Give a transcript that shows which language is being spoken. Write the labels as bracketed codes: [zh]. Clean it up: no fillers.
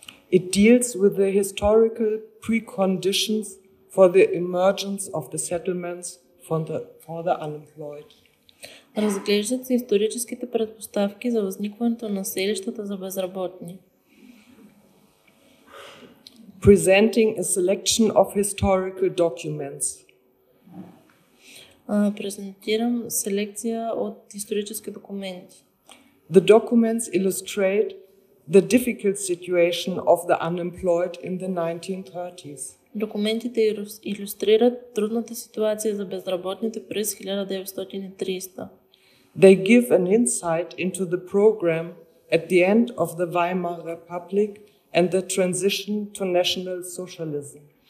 [en] It deals with the historical preconditions for the emergence of the settlements for the unemployed. [bg] Разглеждат се историческите предпоставки за възникването на селищата за безработни. [en] Presenting a selection of historical documents. [bg] Презентирам селекция от исторически документи. [en] The documents illustrate the difficult situation of the unemployed in the 1930s. [bg] Документите илюстрират трудната ситуация за безработните през 1930-та. [en] They give an insight into the program at the end of the Weimar Republic and the transition to National Socialism.